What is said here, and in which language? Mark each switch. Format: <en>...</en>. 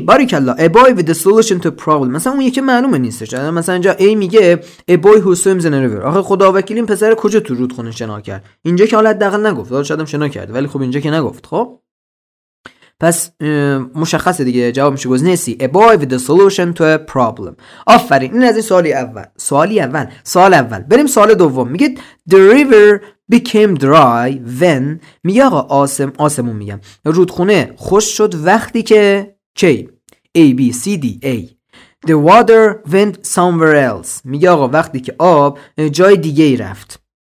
<fa>باریکالله.</fa> <en>A boy with a solution to problem،</en> <fa>مثلا اون یکی معلومه نیستش. مثلا اینجا A میگه</fa> <en>A boy who swims in a river،</en> <fa>آخه خدا وکیل این پسر کجا تو رودخونه شنا کرد؟ اینجا که حالا حداقل نگفت، حالا شدم شنا کرد، ولی خب اینجا که نگفت. خب پس مشخصه دیگه، جواب میشه گزینه C.</fa> <en>A boy with a solution to a problem.</en> <fa>آفرین، این از این سوالی اول. بریم سوال دوم. میگه</fa> <en>the river became dry when،</en> <fa>میگه آقا آسمون میگم رودخونه خشک شد وقتی که چی؟ A B C D A.</fa> <en>The water went somewhere else،</en> <fa>میگه آقا وقتی که آب جای دیگه ای رفت.</fa>